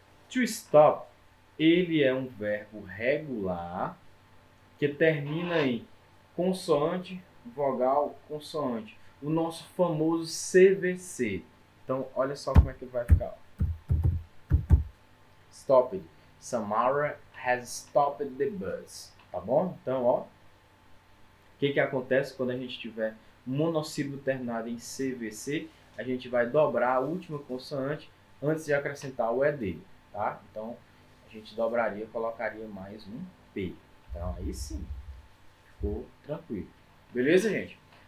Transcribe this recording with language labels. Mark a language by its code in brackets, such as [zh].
[pt] To stop, ele é um verbo regular que termina em consoante, vogal, consoante. O nosso famoso CVC. Então, olha só como é que vai ficar. [en] Stopped. Samara has stopped the bus. [pt] Tá bom? Então, ó. O que acontece quando a gente tiver monossílabo terminado em CVC? A gente vai dobrar a última consoante antes de acrescentar o ED, tá? Então, a gente dobraria, colocaria mais um P. Então, aí sim. Ficou tranquilo. Beleza, gente?